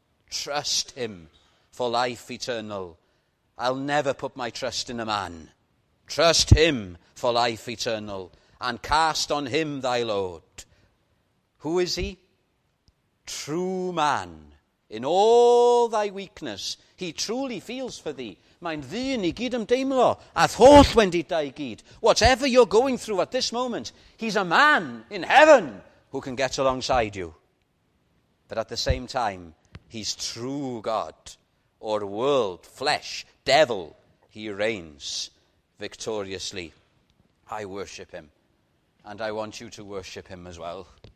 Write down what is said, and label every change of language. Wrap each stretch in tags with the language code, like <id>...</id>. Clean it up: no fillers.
<en>Trust him for life eternal. I'll never put my trust in a man. Trust him for life eternal, and cast on him thy load. Who is he? True man. In all thy weakness, he truly feels for thee.</en> <cy>Mae'n ddyn i gyd ymdeimlo, a'r holl wendidau i gyd.</cy> <en>Whatever you're going through at this moment, he's a man in heaven who can get alongside you. But at the same time, he's true God, or world, flesh, devil. He reigns victoriously. I worship him, and I want you to worship him as well.</en>